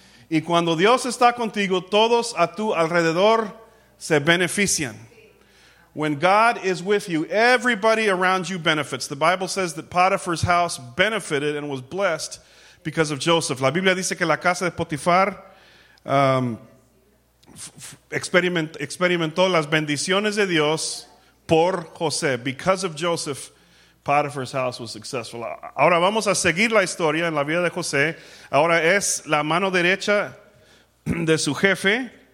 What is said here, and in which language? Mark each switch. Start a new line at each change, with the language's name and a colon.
Spanish: Y cuando Dios está contigo, todos a tu alrededor se benefician.
English: When God is with you, everybody around you benefits. The Bible says that Potiphar's house benefited and was blessed because of Joseph.
Spanish: La Biblia dice que la casa de Potifar experimentó las bendiciones de Dios por José.
English: Because of Joseph, Potiphar's house was successful.
Spanish: Ahora vamos a seguir la historia en la vida de José. Ahora es la mano derecha de su jefe.